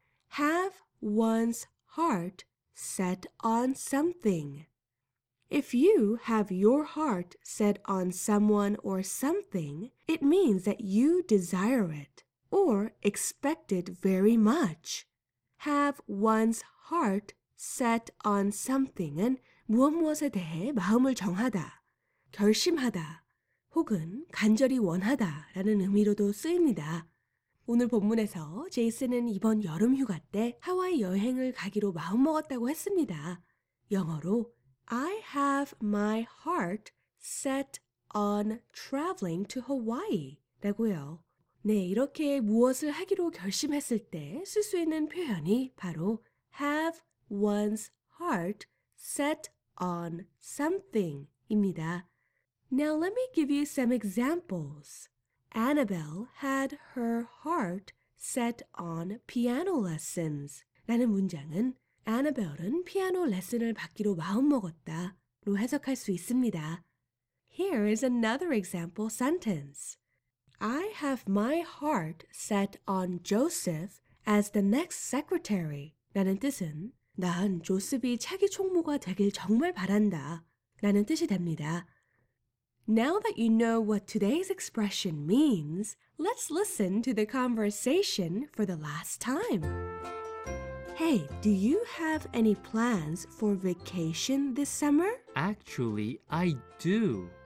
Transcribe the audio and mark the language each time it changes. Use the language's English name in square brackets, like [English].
[English] Have one's heart set on something. If you have your heart set on someone or something, it means that you desire it or expect it very much. Have one's heart set on something [Korean] 은 무엇무엇에 대해 마음을 정하다, 결심하다, 혹은 간절히 원하다라는 의미로도 쓰입니다. 오늘 본문에서 제이슨은 이번 여름 휴가 때 하와이 여행을 가기로 마음먹었다고 했습니다. 영어로 [English] I have my heart set on traveling to Hawaii [Korean] 라고요. 네, 이렇게 무엇을 하기로 결심했을 때 쓸 수 있는 표현이 바로 [English] have one's heart set on something [Korean] 입니다. [English] Now let me give you some examples. Annabelle had her heart set on piano lessons [Korean] 라는 문장은 Annabelle은 피아노 레슨을 받기로 마음먹었다 로 해석할 수 있습니다. [English] Here is another example sentence. I have my heart set on Joseph as the next secretary [Korean] 라는 뜻은 난 조셉이 차기 총무가 되길 정말 바란다 라는 뜻이 됩니다. [English] Now that you know what today's expression means, let's listen to the conversation for the last time. Hey, do you have any plans for vacation this summer? Actually, I do.